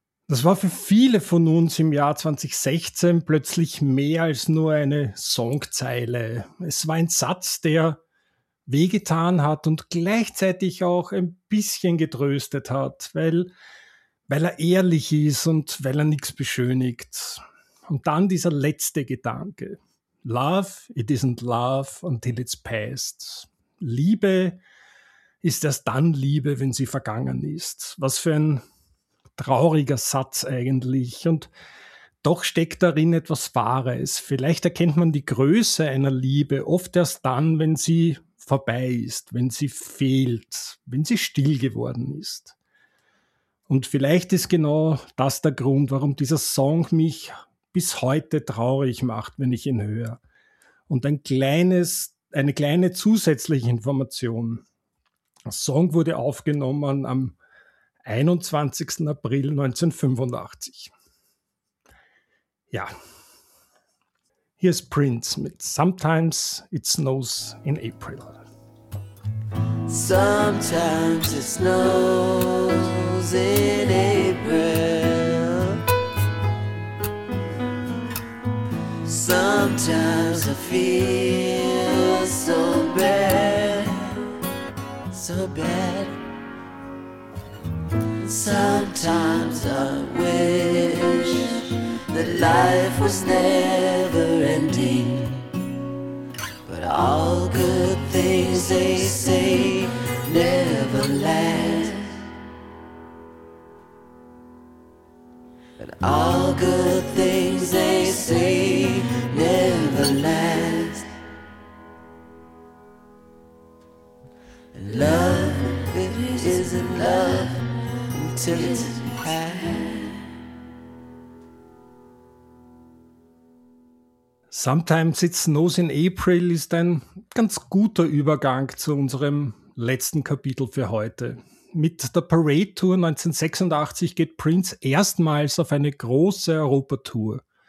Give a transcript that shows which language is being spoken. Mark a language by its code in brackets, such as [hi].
[de] Das war für viele von uns im Jahr 2016 plötzlich mehr als nur eine Songzeile. Es war ein Satz, der wehgetan hat und gleichzeitig auch ein bisschen getröstet hat, weil er ehrlich ist und weil er nichts beschönigt. Und dann dieser letzte Gedanke. [en] Love, it isn't love until it's past. [de] Liebe ist erst dann Liebe, wenn sie vergangen ist. Was für ein trauriger Satz eigentlich. Und Doch steckt darin etwas Wahres. Vielleicht erkennt man die Größe einer Liebe oft erst dann, wenn sie vorbei ist, wenn sie fehlt, wenn sie still geworden ist. Und vielleicht ist genau das der Grund, warum dieser Song mich bis heute traurig macht, wenn ich ihn höre. Und eine kleine zusätzliche Information. Der Song wurde aufgenommen am 21. April 1985. Ja. Hier ist Prince mit Sometimes It Snows in April. [en] Sometimes it snows in April. Sometimes I feel so bad, so bad. Sometimes I wish that life was never ending. But all good things, they say, never last. But all good things, they say, never last. And love, it isn't love until it's past. [de] Sometimes It Snows in April ist ein ganz guter Übergang zu unserem letzten Kapitel für heute. Mit der Parade-Tour 1986 geht Prince erstmals auf eine große Europatour.